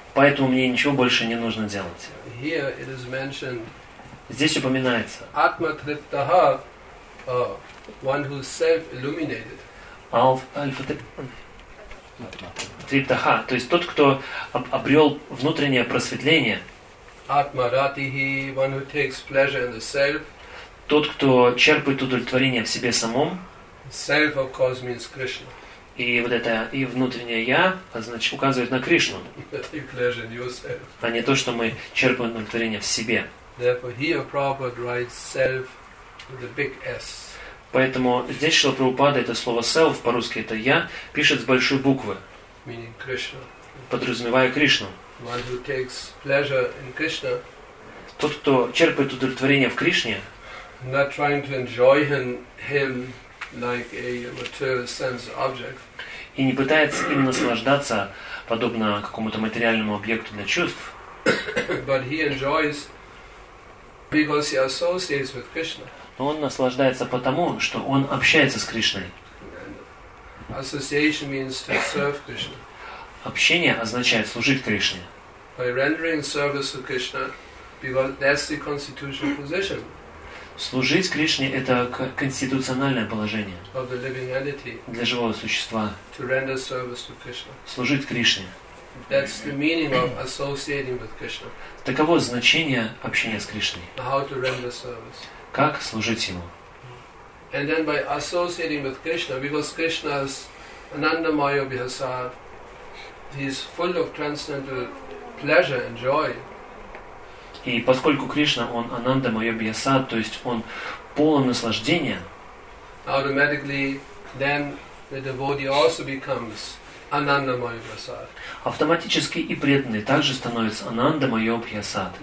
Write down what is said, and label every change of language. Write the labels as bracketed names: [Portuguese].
[Russian] Поэтому мне ничего больше не нужно делать. [English] Here it is mentioned, [Russian] здесь упоминается [English] Атма-триптаха, one who is self-illuminated. [Russian] Альфа-триптаха, то есть тот, кто обрел внутреннее просветление. [English] Atmaratihi, one who takes pleasure in the self. [Russian] Тот, кто черпает удовлетворение в себе самом. [English] Self, of course, means Krishna. [Russian] И вот это и внутреннее я, значит, указывает на Кришну. [English] Pleasure in yourself. [Russian] А не то, что мы черпаем удовлетворение в себе. [English] Therefore, here Prabhupada writes self with a big S. [Russian] Поэтому здесь Шрила Прабхупада, это слово self, по-русски это я, пишет с большой буквы. [English] Meaning Krishna. [Russian] Подразумевая Кришну. [English] One who takes pleasure in Krishna, [Russian] тот, кто черпает удовлетворение в Кришне, [English] not trying to enjoy him like a material sense object, [Russian] и не пытается им наслаждаться подобно какому-то материальному объекту для чувств, [English] but he enjoys because he associates with Krishna. [Russian] Но он наслаждается потому, что он общается с Кришной. [English] Association means to serve Krishna. [Russian] Общение означает служить Кришне. [English] By rendering service to Krishna, because that's the constitutional position. [Russian] Служить Кришне – это конституциональное положение [English] of the living entity, [Russian] для живого существа. [English] To render service to Krishna. [Russian] Служить Кришне. [English] That's the meaning of associating with Krishna. [Russian] Таково значение общения с Кришной. [English] How to render service. [Russian] Как служить Ему. [English] And then by associating with Krishna, because Krishna is Ananda Maya Vihasar, He is full of transcendental pleasure and joy. [Russian] И поскольку Кришна, он Ананда Майо Бьясад, то есть он полон наслаждения. [English] Automatically, then the devotee also becomes Ananda Майо Бьясад. [Russian] Автоматически и преданный также становится Ананда Майо Бьясад.